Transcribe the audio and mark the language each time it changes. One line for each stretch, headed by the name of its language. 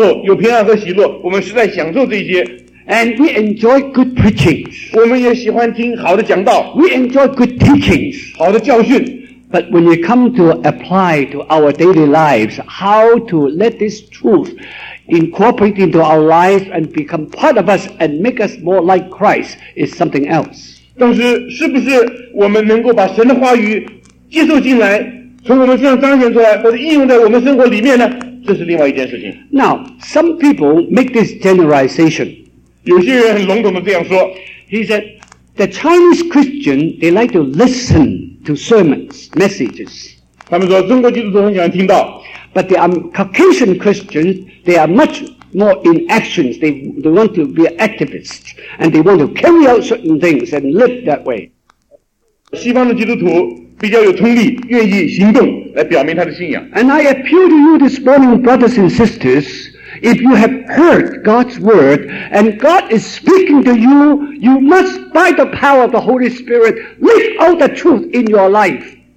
Chinese: 但是我却发现，在我们福音派的教会里面，弟兄姊妹们的确因着交托给主而相信他的时候，有平安和喜乐，我们实在享受这些。
English: And we enjoy good preaching.
Chinese: 我们也喜欢听好的讲道。
English: We enjoy good teachings.
Chinese: 好的教训。
English: But when you come to apply to our daily lives, how to let this truth incorporate into our lives and become part of us and make us more like Christ is something else.
Chinese: 但是是不是我们能够把神的话语接受进来，从我们身上彰显出来，或者应用在我们生活里面呢？这是另外一件事情。
English: Now, some people make this generalization.
Chinese: 有些人很笼统地这样说。
English: He said, The Chinese Christian, they like to listen to sermons, messages.
Chinese: 他们说中国基督徒很喜欢听到,
English: but the Caucasian Christians, they are much more in actions. They want to be activists, and they want to carry out certain things and live that way.
Chinese: 西方的基督徒比较有通力,
English: and I appeal to you this morning, brothers and sisters, if you have heard God's word and God is speaking to you, you must, by the power of the Holy Spirit, live out the truth in your life.